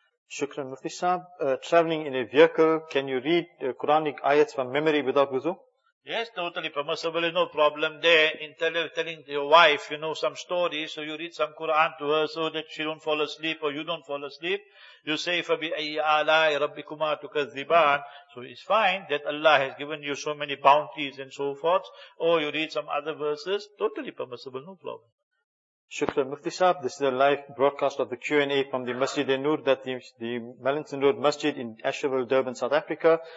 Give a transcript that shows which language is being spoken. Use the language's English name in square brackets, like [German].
[English] Shukran, Mufti Saab. Traveling in a vehicle, can you read Quranic ayats from memory without wudu? Yes, totally permissible, no problem there. In telling your wife, you know, some story, so you read some Quran to her so that she don't fall asleep or you don't fall asleep. [Arabic] You say, فَبِأَيِّ آلَاءِ رَبِّكُمَا تُكَذِّبَانِ. [English] So it's fine that Allah has given you so many bounties and so forth. Or you read some other verses, totally permissible, no problem. Shukran Mufti Saab, this is a live broadcast of the Q&A from the Masjid An-Nur, that the Mellenton Road Masjid in Asheville, Durban, South Africa.